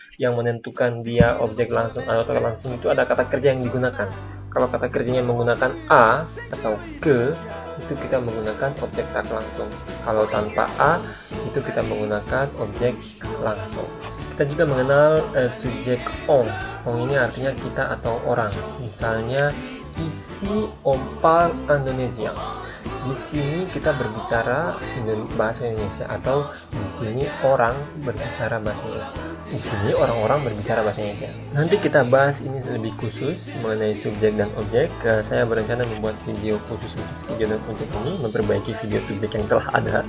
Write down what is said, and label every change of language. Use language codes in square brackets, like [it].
[id] Yang menentukan dia objek langsung atau tak langsung itu ada kata kerja yang digunakan. Kalau kata kerjanya menggunakan a atau ke, itu kita menggunakan objek tak langsung. Kalau tanpa a, itu kita menggunakan objek langsung. Kita juga mengenal subjek on. On ini artinya kita atau orang. Misalnya, [fr] ici on parle indonésien. [id] Di sini kita berbicara bahasa Indonesia, atau di sini orang berbicara bahasa Indonesia. Di sini orang-orang berbicara bahasa Indonesia. Nanti kita bahas ini lebih khusus mengenai subjek dan objek. Saya berencana membuat video khusus untuk subjek dan objek ini, memperbaiki video subjek yang telah ada.